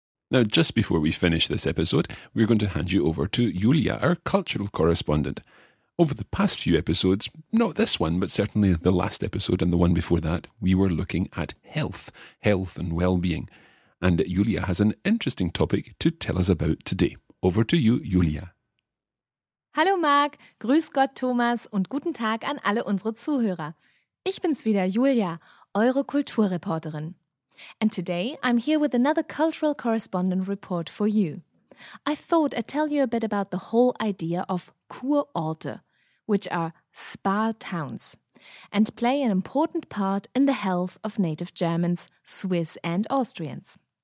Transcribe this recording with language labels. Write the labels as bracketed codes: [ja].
[en] Now, just before we finish this episode, we're going to hand you over to Julia, our cultural correspondent. Over the past few episodes, not this one, but certainly the last episode and the one before that, we were looking at health and well-being. And Julia has an interesting topic to tell us about today. Over to you, Julia. [de] Hallo Marc, grüß Gott Thomas und guten Tag an alle unsere Zuhörer. Ich bin's wieder, Julia, eure Kulturreporterin. [en] And today I'm here with another cultural correspondent report for you. I thought I'd tell you a bit about the whole idea of Kurorte, which are spa towns, and play an important part in the health of native Germans, Swiss and Austrians.